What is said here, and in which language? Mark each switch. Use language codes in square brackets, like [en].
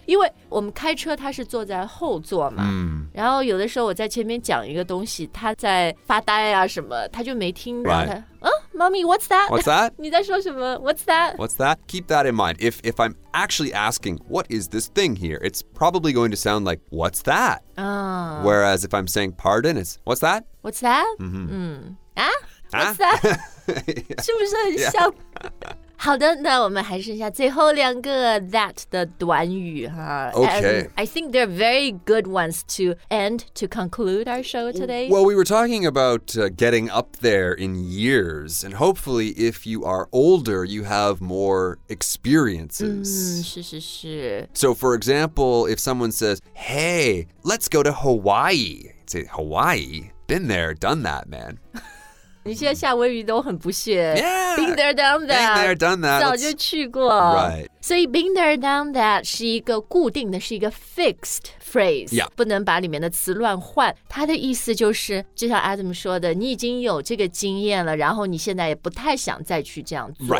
[zh] 因为我们开车他是坐在后座嘛、然后有的时候我在前面讲一个东西他在发呆啊什么他就没听到、 [en] right. 他Mommy, what's that? What's that? [zh] 你在说什么 [en] What's that? What's that? Keep that in mind. If I'm actually asking, what is this thing here? It's probably going to sound like, what's that? Whereas if I'm saying pardon, it's, what's that? What's that? What's that? [zh] 是不是很像、 [en] yeah. [zh] 好的那我们还剩下最后两个 that 的短语哈 [en] Okay. And I think they're very good ones to end, to conclude our show today. Well, we were talking about、getting up there in years, and hopefully if you are older, you have more experiences.、 [zh] 是是是。 [en] So for example, if someone says, hey, let's go to Hawaii, I'd say, Hawaii, been there, done that, man. [zh] 你现在夏威夷都很不屑 [en] Yeah, been there, done that. Been there, done that. [zh] 早就去过 [en] Right. [zh] 所以 [en] been there, done that [zh] 是一个固定的，是一个 fixed phrase. [en] Yeah. [zh] 不能把里面的词乱换。它的意思就是，就像 Adam 说的，你已经有这个经验了，然后你现在也不太想再去这样做。